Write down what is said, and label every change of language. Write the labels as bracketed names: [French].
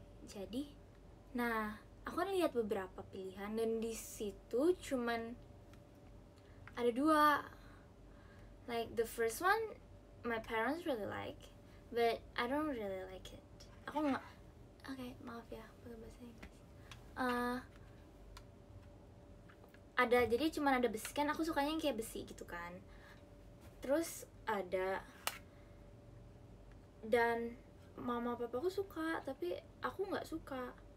[Indonesian] Jadi, nah, aku kan lihat beberapa pilihan dan di situ cuman ada dua. [English] Like the first one, my parents really like, but I don't really like it. [Indonesian] Aku nggak. Okay, maaf ya, bukan bahasa Inggris. Ada, jadi cuma ada besi kan. Aku sukanya yang kayak besi gitu kan. Terus ada dan mama papa aku suka, tapi aku nggak suka.